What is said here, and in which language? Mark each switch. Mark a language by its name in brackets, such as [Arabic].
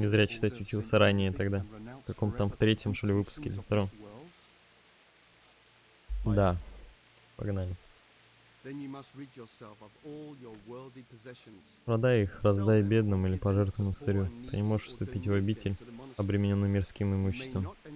[Russian] Не зря читать учился ранее тогда, в каком-то там в третьем что ли выпуске, или втором. Да. Погнали. [English] Then you must rid yourself of all your worldly possessions. [Russian] Продай их, раздай бедным или пожертвуй монастырю. Ты не можешь вступить в обитель, обремененный мирским имуществом.